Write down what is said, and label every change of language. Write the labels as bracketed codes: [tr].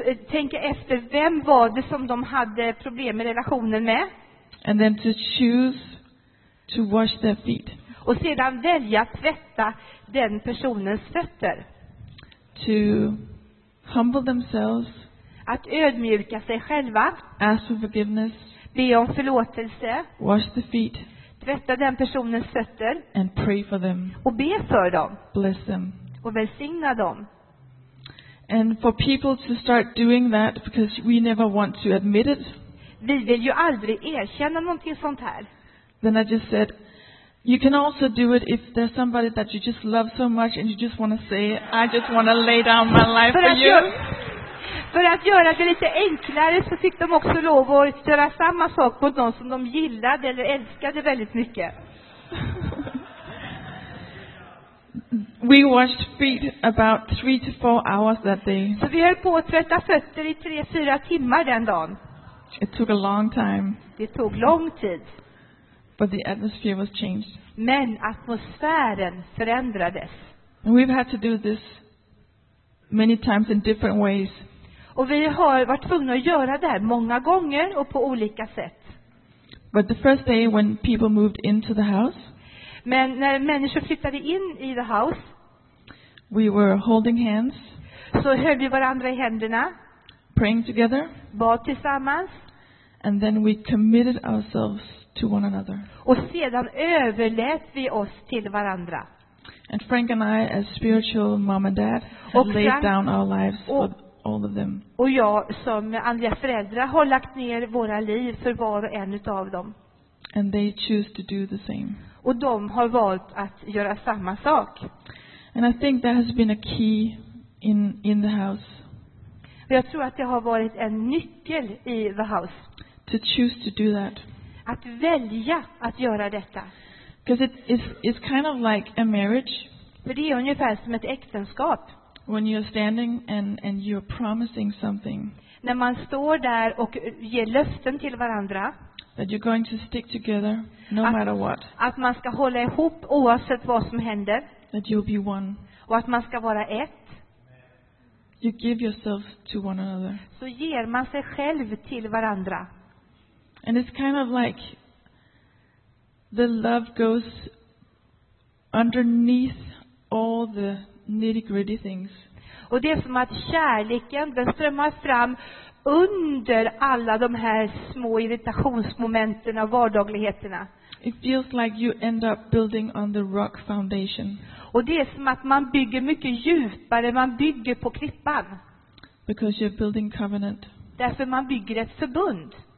[sv] Tänka efter vem var det som de hade problem i relationen med. [en] And then to choose to wash their feet. [sv] Och sedan välja att tvätta den personens fötter. [en] To humble themselves. [sv] Att ödmjuka sig själva. [en] Ask for forgiveness. [sv] Be om förlåtelse. [en] Wash the feet. [sv] Tvätta den personens fötter. [en] And pray for them. [sv] Och be för dem. [en] Bless them. [sv] Och välsigna dem. [en] And for people to start doing that because we never want to admit it. [sv] Vi vill ju aldrig erkänna någonting sånt här. [en] Then I just said, you can also do it if there's somebody that you just love so much and you just want to say, I just want to lay down my life for you. [sv] För att göra det lite enklare så fick de också lov att göra samma sak mot någon som de gillade eller älskade väldigt mycket. [en] We washed feet about 3 to 4 hours that day. [sv] Så vi höll på att tvätta fötter i 3-4 timmar den dagen. [en] It took a long time. [sv] Det tog lång tid. [en] But the atmosphere was changed. [sv] Men atmosfären förändrades. [en] And we've had to do this many times in different ways. [sv] Och vi har varit tvungna att göra det här många gånger och på olika sätt. [en] But the first day when people moved into the house. [sv] Men när människor flyttade in i the house. [en] We were holding hands. [sv] Så höll vi varandra i händerna. [en] Praying together. [sv] Bad tillsammans. [en] And then we committed ourselves to one another. [sv] Och sedan överlät vi oss till varandra. [en] And Frank and I as spiritual mom and dad laid down our lives for all of them. [sv] Och jag som andliga föräldrar har lagt ner våra liv för var och en utav dem. [en] And they choose to do the same. [sv] Och de har valt att göra samma sak. [en] And I think that has been a key in the house. [sv] Och jag tror att det har varit en nyckel i the house. [en] To choose to do that. [sv] Att välja att göra detta. [en] Because it's kind of like a marriage. [sv] För det är ungefär som ett äktenskap. [en] When you're standing and you're promising something. [sv] När man står där och ger löften till varandra. [en] That you're going to stick together no matter what. [sv] Att man ska hålla ihop oavsett vad som händer. [en] That you'll be one. [sv] Och att man ska vara ett. [en] You give yourself to one another. [sv] Så ger man sig själv till varandra. [en] And it's kind of like the love goes underneath all the nitty-gritty things. [sv] Och det är som att kärleken den strömmar fram under alla de här små irritationsmomenten och vardagligheterna. [en] It feels like you end up building on the rock foundation. [sv] Och det är som att man bygger mycket djupare, man bygger på klippan. [en] Because you're building covenant. [sv] Därför man bygger ett förbund.